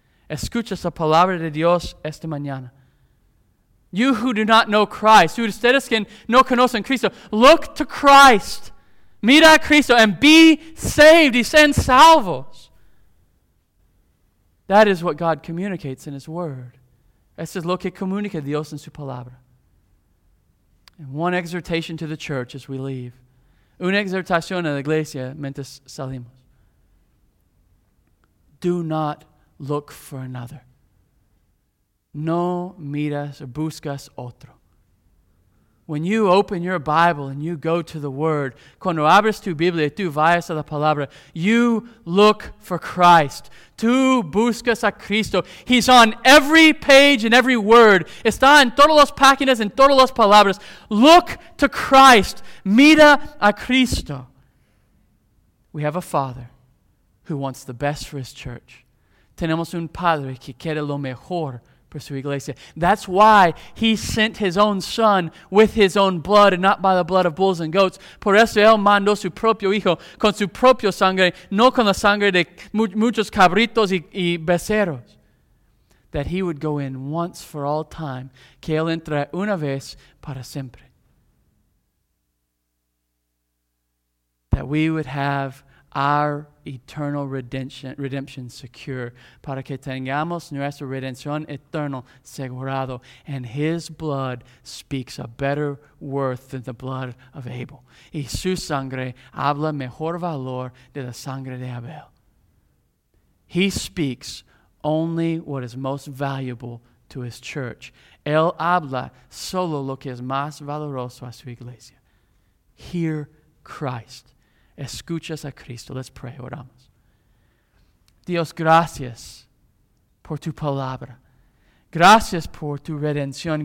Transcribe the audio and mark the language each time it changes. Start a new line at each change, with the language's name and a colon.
Spanish: Escucha esa palabra de Dios esta mañana.
English: You who do not know Christ, who
Spanish: ustedes que no conocen Cristo,
English: look to Christ,
Spanish: mira a Cristo,
English: and be saved. He sends salvos. That is what God communicates in his word.
Spanish: Eso es lo que comunica Dios en su palabra.
English: And one exhortation to the church as we leave.
Spanish: Una exhortación a la iglesia mientras salimos.
English: Do not
Spanish: look for another. No miras, buscas otro.
English: When you open your Bible and you go to the Word,
Spanish: cuando abres tu Biblia, tú vayas a la palabra,
English: you look for Christ.
Spanish: Tú buscas a Cristo.
English: He's on every page and every word.
Spanish: Está en todas las páginas, en todas las palabras.
English: Look to Christ.
Spanish: Mira a Cristo.
English: We have a Father who wants the best for His church.
Spanish: Tenemos un Padre que quiere lo mejor por su iglesia.
English: That's why He sent His own Son with His own blood and not by the blood of bulls and goats.
Spanish: Por eso Él mandó su propio Hijo con su propio sangre, no con la sangre de muchos cabritos y becerros.
English: That He would go in once for all time.
Spanish: Que Él entre una vez para siempre.
English: That we would have our eternal redemption secure,
Spanish: para que tengamos nuestra redención eterna asegurado,
English: and His blood speaks a better worth than the blood of Abel.
Spanish: Y su sangre habla mejor valor de la sangre de Abel.
English: He speaks only what is most valuable to His church.
Spanish: Él habla solo lo que es más valoroso a su iglesia.
English: Hear Christ.
Spanish: Escuchas a Cristo.
English: Let's pray.
Spanish: Oramos. Dios, gracias por tu palabra. Gracias por tu redención.